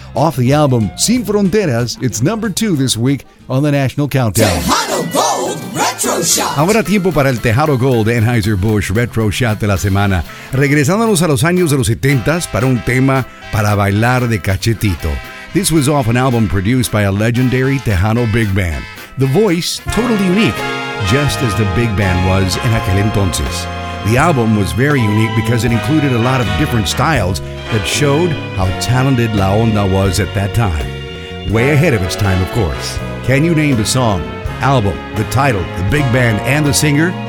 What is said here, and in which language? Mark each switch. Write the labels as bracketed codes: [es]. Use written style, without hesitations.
[en] Off the album Sin Fronteras, it's number 2 this week on the National Countdown. Tejano Gold Retro Shot. [es] Ahora tiempo para el Tejano Gold Anheuser-Busch Retro Shot de la semana. Regresándonos a los años de los 70s para un tema para bailar de cachetito. [en] This was off an album produced by a legendary Tejano big band. The voice, totally unique, just as the big band was [es] en aquel entonces. [en] The album was very unique because it included a lot of different styles that showed how talented La Onda was at that time. Way ahead of its time, of course. Can you name the song, album, the title, the big band, and the singer?